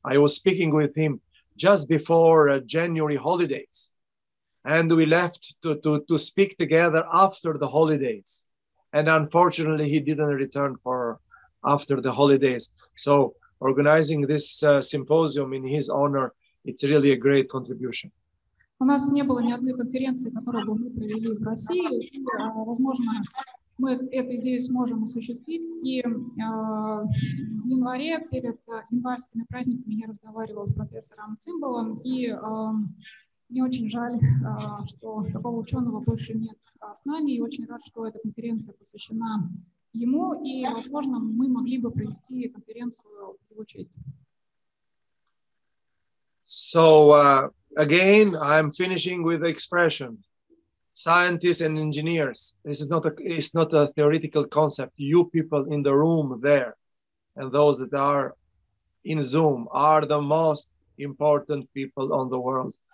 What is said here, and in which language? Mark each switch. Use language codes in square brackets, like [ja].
[en] I was speaking with him just before January holidays, and we left to speak together after the holidays. And unfortunately, he didn't return after the holidays. So organizing this symposium in his honor, it's really a great contribution. [ru] У нас не было ни одной конференции, которую бы мы провели в России. Возможно, мы эту идею сможем осуществить. И в январе, перед январскими праздниками, я разговаривала с профессором Цимбалом, и мне очень жаль, что такого ученого больше нет с нами, и очень рад, что эта конференция посвящена ему, и, возможно, мы могли бы провести конференцию в его честь. [en] So, again, I'm finishing with the expression, scientists and engineers. This is not a theoretical concept. You people in the room there and those that are in Zoom are the most important people on the world.